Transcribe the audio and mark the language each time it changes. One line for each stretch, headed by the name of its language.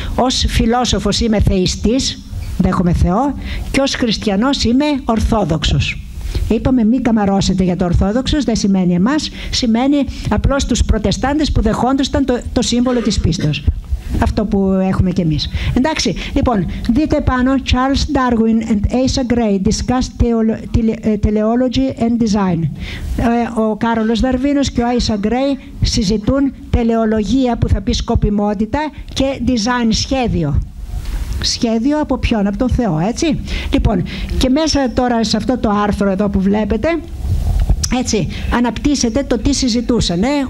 Greek: Ως φιλόσοφος είμαι θεϊστής, δέχομαι Θεό, και ως χριστιανός είμαι ορθόδοξος. Είπαμε μη καμαρώσετε για το ορθόδοξος, δεν σημαίνει εμάς, σημαίνει απλώς τους προτεστάντες που δεχόντουσαν το σύμβολο της πίστεως. Αυτό που έχουμε και εμείς. Εντάξει, λοιπόν, δείτε πάνω
English: Charles Darwin and Asa Gray discuss teleology and design.
Greek: Ο Κάρολος Δαρβίνος και ο Asa Gray συζητούν τελεολογία, που θα πει σκοπιμότητα, και design, σχέδιο. Σχέδιο από ποιον, από τον Θεό, έτσι. Λοιπόν, και μέσα τώρα σε αυτό το άρθρο εδώ που βλέπετε, έτσι, αναπτύσσεται το τι συζητούσαν.